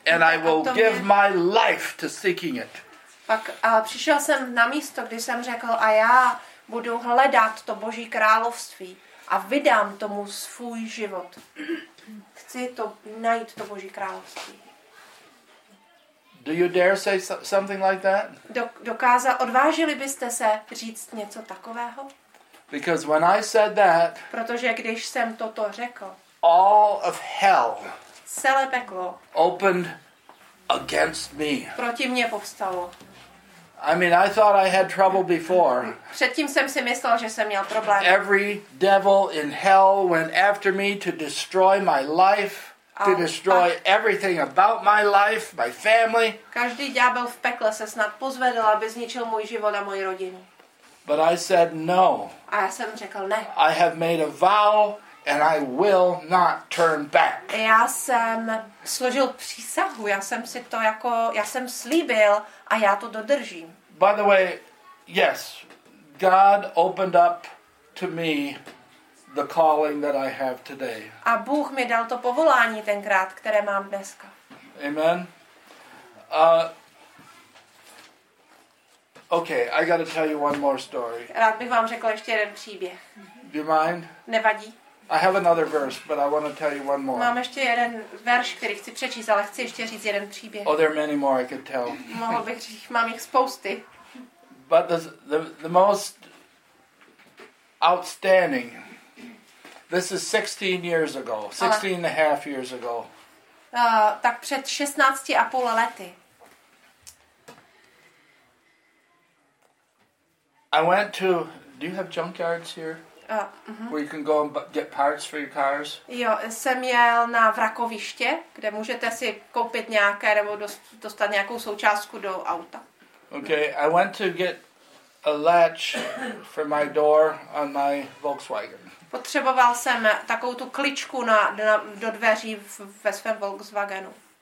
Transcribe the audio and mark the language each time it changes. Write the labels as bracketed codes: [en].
[en] And I will give my life to seeking it. [cs] Pak přišel jsem na místo, kdy jsem řekl, a já budu hledat to Boží království a vydám tomu svůj život. Chci to najít, to Boží království. [en] Do you dare say something like that? [cs] Odvážili byste se říct něco takového? [en] Because when I said that, [cs] protože když jsem toto řekl, [en] all of hell, [cs] celé peklo, [en] opened against me. [cs] Proti mně povstalo. [en] I mean, I thought I had trouble before. [cs] Předtím jsem si myslel, že jsem měl problém. [en] Every devil in hell went after me to destroy my life, to destroy everything about my life, my family. [cs] Každý ďábel v pekle se snad pozvedl, aby zničil můj život a moji rodinu. [en] But I said no. [cs] A já jsem řekl ne. [en] I have made a vow and I will not turn back. [cs] Já jsem složil přísahu, já jsem slíbil a já to dodržím. [en] By the way, yes, God opened up to me the calling that I have today. [cs] A Bůh mi dal to povolání tenkrát, které mám dneska. [en] Amen. Okay, I got to tell you one more story. [cs] Rád bych vám řekl ještě jeden příběh. [en] Do you mind? [cs] Nevadí. [en] I have another verse, but I want to tell you one more. [cs] Mám ještě jeden verš, který chci přečíst, ale chci ještě říct jeden příběh. [en] Oh, there are many more I could tell. [cs] Mohl bych říct, mám jich spousty. [en] But the most outstanding, this is 16 years ago, 16 and a half years ago. [cs] Tak před 16 a půl lety. [en] I went to, do you have junkyards here? Where you can go and get parts for your cars? [cs] Jo, jsem jel na vrakoviště, kde můžete si koupit nějaké nebo dostat nějakou součástku do auta. [en] Okay, I went to get a latch for my door on my Volkswagen. [cs] Potřeboval jsem takovou tu kličku na do dveří ve svém Volkswagenu.